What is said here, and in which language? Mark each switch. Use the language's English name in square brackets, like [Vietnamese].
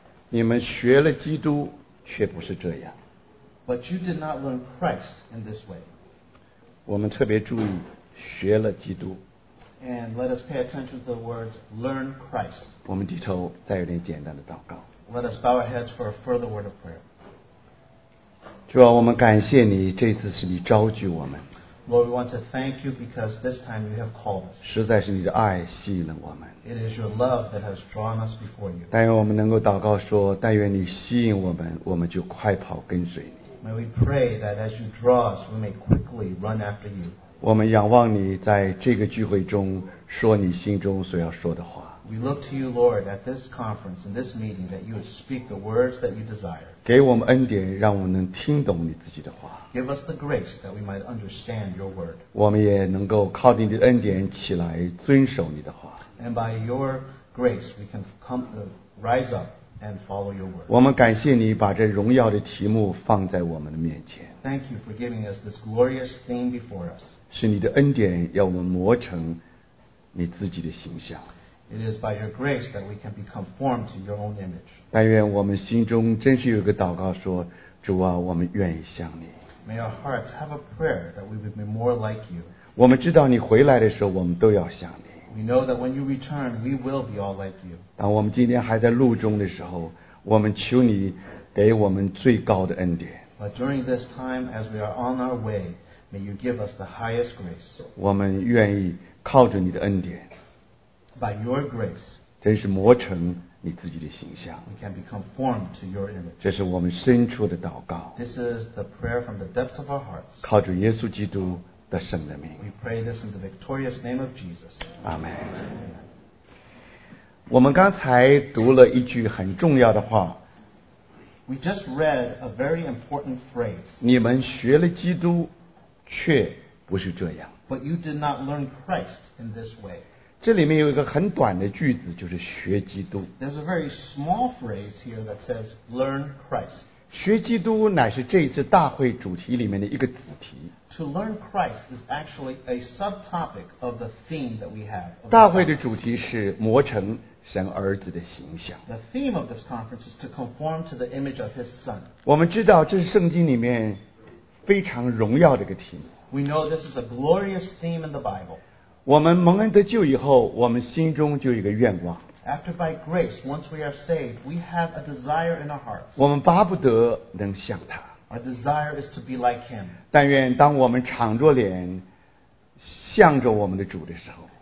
[Chinese] 你们学了基督，却不是这样。 [English] But you did not learn Christ in this way. [Chinese] 我们特别注意，学了基督。 [English] And let us pay attention to the words "learn Christ." [Chinese] 我们低头，再有点简单的祷告。 [English] Let us bow our heads for a further word of prayer. [Chinese] 主啊，我们感谢你，这次是你召聚我们。 [English] Lord, we want to thank you because this time you have called us. [Chinese] 实在是你的爱吸引了我们。 [English] It is your love that has drawn us before you. [Chinese] 但愿我们能够祷告说，但愿你吸引我们，我们就快跑跟随你。 [English] May we pray that as you draw us, we may quickly run after you. [Chinese] 我们仰望你在这个聚会中说你心中所要说的话。 [English] We look to you, Lord, at this conference, in this meeting, that you would speak the words that you desire. [Chinese] 给我们恩典，让我们能听懂你自己的话。 [English] Give us the grace that we might understand your word. [Chinese] 我们也能够靠你的恩典起来遵守你的话。 [English] And by your grace, we can come to rise up and follow your word. [Chinese] 我们感谢你把这荣耀的题目放在我们的面前。 [English] Thank you for giving us this glorious theme before us. [Chinese] 是你的恩典要我们磨成你自己的形象。 [English] It is by your grace that we can be conformed to your own image. [Chinese] 但愿我们心中真是有个祷告说，主啊，我们愿意像你。 [English] May our hearts have a prayer that we would be more like you. [Chinese] 我们知道你回来的时候，我们都要像你。 [English] We know that when you return, we will be all like you. [Chinese] 当我们今天还在路中的时候，我们求你给我们最高的恩典。 [English] But during this time, as we are on our way, may you give us the highest grace. [Chinese] 我们愿意靠着你的恩典。 [English] By your grace, [Chinese] 真是磨成你自己的形象。 [English] We can be conformed to your image. [Chinese] 这是我们深处的祷告。 [English] This is the prayer from the depths of our hearts. [Chinese] 靠主耶稣基督的圣的名。 [English] We pray this in the victorious name of Jesus. Amen. [Chinese] 我们刚才读了一句很重要的话。 [English] We just read a very important phrase. [Chinese] 你们学了基督，却不是这样。 [English] But you did not learn Christ in this way. [Chinese] 这里面有一个很短的句子，就是学基督。 [English] There's a very small phrase here that says "learn Christ." [Chinese] 学基督乃是这一次大会主题里面的一个子题。 [English] To learn Christ is actually a subtopic of the theme that we have. [Chinese] 大会的主题是磨成神儿子的形象。 [English] The theme of this conference is to conform to the image of His Son. [Chinese] 我们知道这是圣经里面非常荣耀的一个题目。 [English] We know this is a glorious theme in the Bible. [Chinese] 我们蒙恩得救以后，我们心中就有一个愿望。 [English] After by grace, once we are saved, we have a desire in our hearts. [Chinese] 我们巴不得能像他。 [English] Our desire is to be like him. [Chinese] 但愿当我们敞着脸向着我们的主的时候，